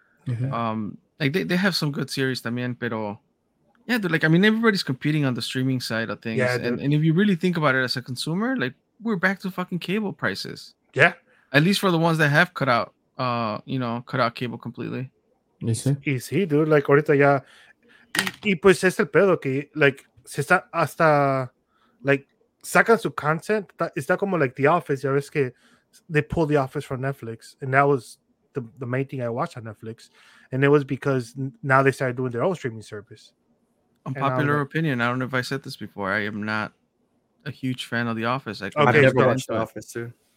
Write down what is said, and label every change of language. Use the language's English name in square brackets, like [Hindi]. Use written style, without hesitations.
[English] Mm-hmm. Like they have some good series [Spanish] también, [English] pero yeah, dude, like I mean everybody's competing on the streaming side of things. Yeah, and if you really think about it as a consumer, like we're back to fucking cable prices. Yeah. At least for the ones that have cut out cable completely. Easy, dude. [Spanish] Like ahorita ya y pues es el pedo que like se está hasta like sacan su content. [English] It's not [Spanish] como [English] like The Office. [Spanish] Ya ves que [English] they pulled The Office from Netflix, and that was the main thing I watched on Netflix. And it was because now they started doing their own streaming service. Unpopular opinion. I don't know if I said this before. I am not a huge fan of The Office. I never watched The Office too.